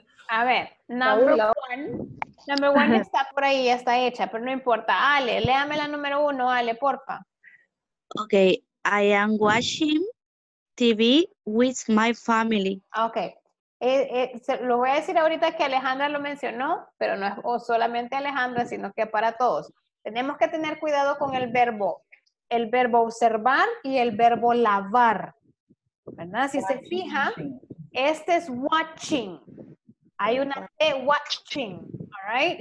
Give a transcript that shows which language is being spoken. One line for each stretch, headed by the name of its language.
Spanish: A ver,
English: number one
Spanish: está por ahí, ya está hecha, pero no importa. Ale, léame la número uno, Ale, porfa.
English: Okay, I am watching TV with my family.
Spanish: Okay, lo voy a decir ahorita que Alejandra lo mencionó, pero no es solamente Alejandra, sino que para todos. Tenemos que tener cuidado con el verbo observar y el verbo lavar, ¿verdad? Si se fija, este es watching, hay una T, watching,
English: all right?